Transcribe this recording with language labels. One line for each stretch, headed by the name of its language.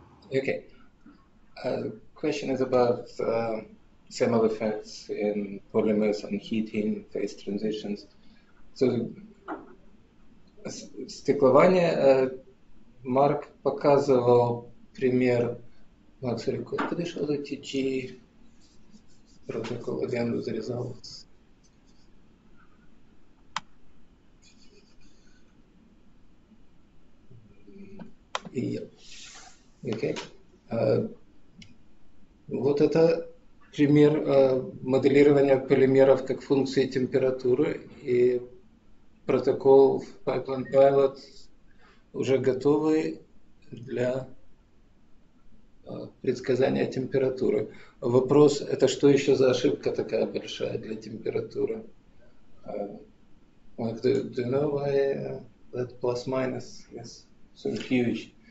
English: Okay. Question is about thermal effects in polymers on heating, phase transitions.
Russian: So, стеклование, Марк показывал пример.
English: Макс, could you show the TG protocol again with the results? Yeah. Okay.
Russian: Вот это пример моделирования полимеров как функции температуры, и протокол в Pipeline Pilot уже готовый для предсказания температуры. Вопрос, это что еще за ошибка такая большая для температуры?
English: Do you know why that plus minus is so huge?